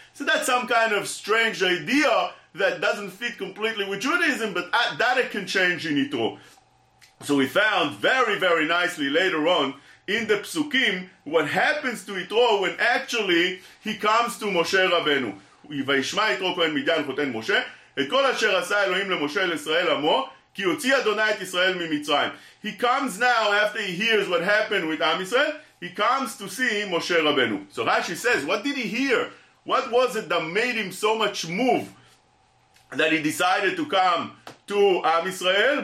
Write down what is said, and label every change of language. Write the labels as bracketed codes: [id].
[en] So that's some kind of strange idea that doesn't fit completely with Judaism, but that it can change in Yitro. So we found very, very nicely later on in the Psukim what happens to Yitro when actually he comes to Moshe Rabbeinu. [he] וישמה יתרו כהן מדיין חותן משה את כל אשר עשה אלוהים למשה לישראל עמו כי הוציא אדוני את ישראל ממצרים. [en] He comes now after he hears what happened with Am Yisrael. He comes to see Moshe Rabbeinu. So Rashi says, what did he hear? What was it that made him so much move that he decided to come to Am Yisrael?